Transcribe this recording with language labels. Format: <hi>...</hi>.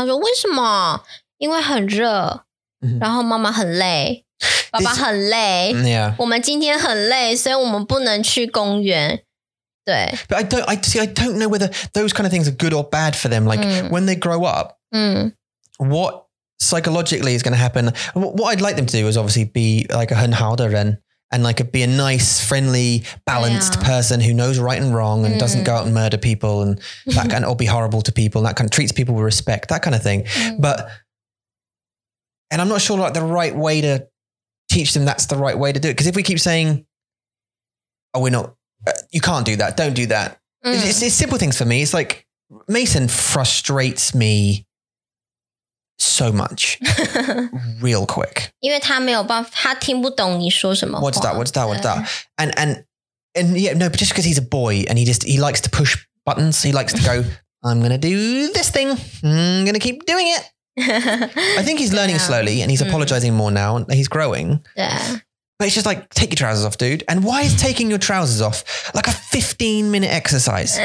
<zh>他说为什么因为很热然后妈妈很累。爸爸很累。我们今天很累所以我们不能去公园。对</zh> <en>but I don't know whether those kind of things are good or bad for them. Like、 mm. when they grow up,、 mm. what psychologically is going to happen? What I'd like them to do is obviously be like a</en> <zh>很好的人</zh> <en>and like be a nice, friendly, balanced、yeah. person who knows right and wrong and、mm. doesn't go out and murder people and that kind of, or be horrible to people and that kind of treats people with respect, that kind of thing.、 Mm. But, and I'm not sure like the right way to teach them that's the right way to do it. Because if we keep saying, oh, we're not,you can't do that. Don't do that.、 Mm. It's simple things for me. It's like Mason frustrates me so much real quick.</en> <zh>因为他没有办法他听不懂你说什么话</zh> <en>What's that? And yeah, no, but just because he's a boy and he likes to push buttons. He likes to go, I'm going to do this thing. I'm going to keep doing it. I think he's learning、 yeah. slowly and he's apologizing、mm. more now. He's growing. Yeah. But it's just like, take your trousers off, dude. And why is taking your trousers off like a 15-minute exercise?</en>